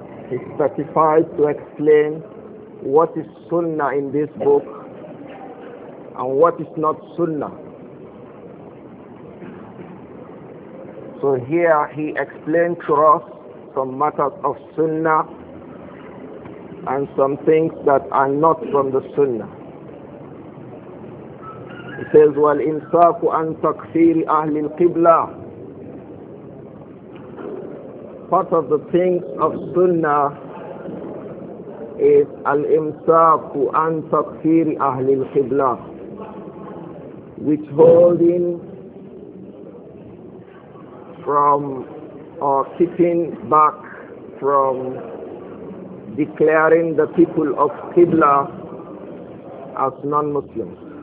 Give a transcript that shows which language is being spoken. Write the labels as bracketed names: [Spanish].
[English] He specified to explain what is Sunnah in this book and what is not Sunnah. So here he explained to us some matters of Sunnah and some things that are not from the Sunnah. He says, [Arabic] وَالْإِمْسَاكُ عَنْ تَكْفِيرِ أَهْلِ الْقِبْلَةِ. [English] Part of the things of Sunnah is [Arabic] al-imsaku an takfiri ahli al-qibla, [English] withholding from or keeping back from declaring the people of qibla as non-Muslims.